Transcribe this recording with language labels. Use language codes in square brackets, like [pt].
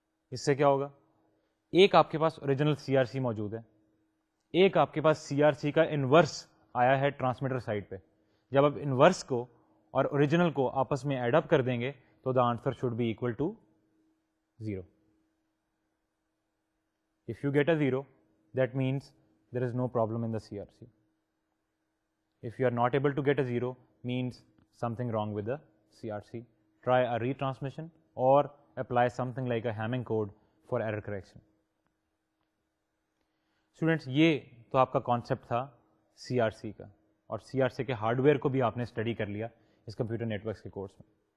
[ur] اس سے کیا ہوگا, ایک آپ کے پاس اوریجنل سی آر سی موجود ہے, ایک آپ کے پاس سی آر سی کا انورس آیا ہے ٹرانسمیٹر سائڈ پہ. جب آپ انورس کو اور اوریجنل کو آپس میں ایڈ اپ کر دیں گے تو [en] The answer should be equal to 0. If you get a 0 that means there is no problem in the C R C. If you are not able to get a 0 means something wrong with the C R C. Try a retransmission or apply something like a Hamming code for error correction. [ur] Students یہ تو آپ کا concept تھا C R C کا, اور C R C کے hard where کو بھی آپ نے اسٹڈی کر لیا اس کمپیوٹر نیٹورکس کے کورس میں.